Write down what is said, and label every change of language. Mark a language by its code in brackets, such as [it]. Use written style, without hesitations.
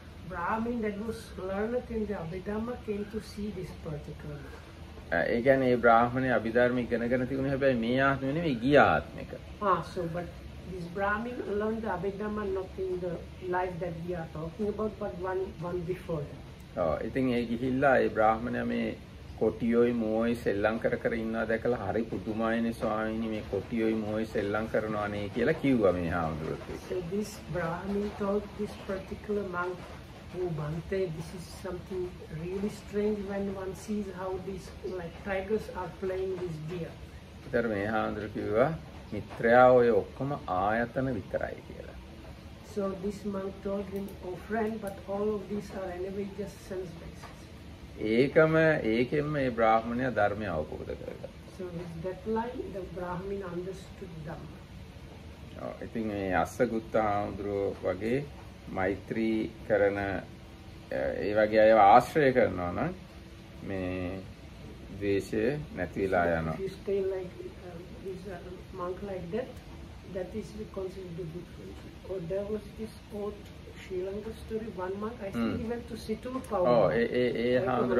[en] Brahmin that was learned in the Abhidharma came to see this particular monk. [si] ඒ කියන්නේ ඒ බ්‍රාහමණය අභිධර්ම ඉගෙනගෙන තිබුණේ හැබැයි මේ ආත්මෙ නෙමෙයි ගිය ආත්මෙක. [en] So but this Brahmin learned the Abhidharma not in the life that we are talking about, but one before that. [si] ඉතින් ඒ ගිහිල්ලා ඒ බ්‍රාහමණය මේ කොටියොයි මොයි සෙල්ලම් කර කර ඉන්නවා දැකලා හරි පුදුමයිනේ ස්වාමීනි මේ කොටියොයි මොයි සෙල්ලම් කරනවා නේ කියලා කිව්වා මේ හාමුදුරුවෝ. [en] So this Brahmin told this particular monk, "Oh Bhante, this is something really strange when one sees how these like tigers are playing this deer." [si] ඊට මේ හාමුදුරුවෝ කිව්වා මිත්‍රයා ඔය ඔක්කොම ආයතන විතරයි කියලා. [en] So this monk told him, "Oh friend, but all of these are anyway just sense bases." [si] ඒකම ඒකෙන්ම මේ බ්‍රාහමණය ධර්මය අවබෝධ කරගත්තා. [en] So with that line the Brahmin understood Dhamma. [si] ඉතින් මේ අස්සගුත්ත හාමුදුරුවෝ වගේ මෛත්‍රී කරන ඒ වගේ අයව ආශ්‍රය කරනවා නම් මේ ද්වේෂය නැතිලා යනවා. [en] This stay like this monk like that is we consider the good friendship. Or there was this old Sri Lanka story, one monk I think he went to Sitthula Pavana.